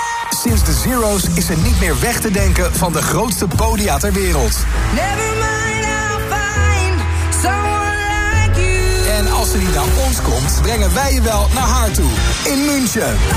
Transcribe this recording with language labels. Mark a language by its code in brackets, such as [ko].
[nl] Sinds de Zero's is ze niet meer weg te denken van de grootste podia ter wereld. [en] Never mind, I'll find someone like you. [nl] En als ze niet naar ons komt, brengen wij je wel naar haar toe. In München.